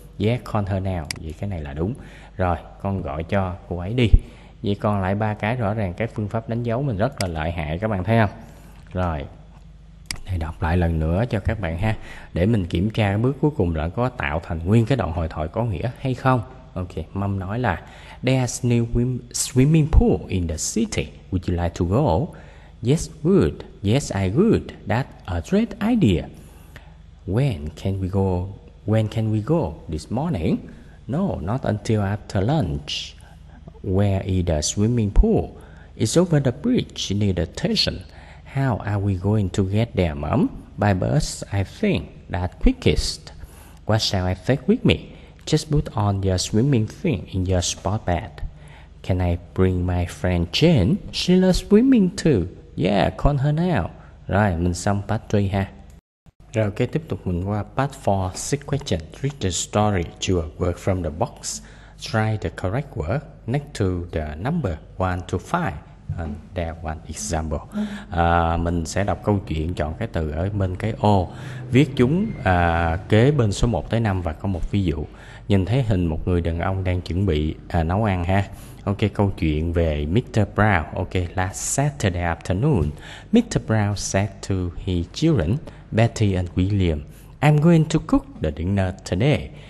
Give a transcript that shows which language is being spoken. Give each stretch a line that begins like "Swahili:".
English: Yes, call her now,
Vietnamese: vậy cái này là đúng. Rồi, con gọi cho cô ấy đi. Vậy còn lại ba cái rõ ràng cái phương pháp đánh dấu mình rất là lợi hại, các bạn thấy không? Rồi. Để đọc lại lần nữa cho các bạn ha, để mình kiểm tra cái bước cuối cùng là có tạo thành nguyên cái đoạn hội thoại có nghĩa hay không.
English: Ok, mom
Vietnamese: nói là
English: there's new swimming pool in the city, would you like to go? Yes, would. Yes, I would. That's a great idea. When can we go? This morning? No, not until after lunch. Where is the swimming pool? It's over the bridge near the station. How are we going to get there, mom? By bus, I think. That's quickest. What shall I take with me? Just put on your swimming thing in your sport bag. Can I bring my friend Jane? She loves swimming too. Yeah, call her now.
Vietnamese: Rồi, mình xong part 3 ha. Rồi, ok, tiếp tục mình qua part 4, 6 questions.
English: Read the story to a word from the box. Try the correct word next to the number 1 to 5. And that one example.
Vietnamese: Mình sẽ đọc câu chuyện, chọn cái từ ở bên cái ô, viết chúng kế bên số 1 tới 5 và có một ví dụ. Nhìn thấy hình một người đàn ông đang chuẩn bị nấu ăn ha.
English: Ok,
Vietnamese: câu chuyện về
English: Mr. Brown. Ok, last Saturday afternoon, Mr. Brown said to his children, Betty and William, I'm going to cook the dinner today.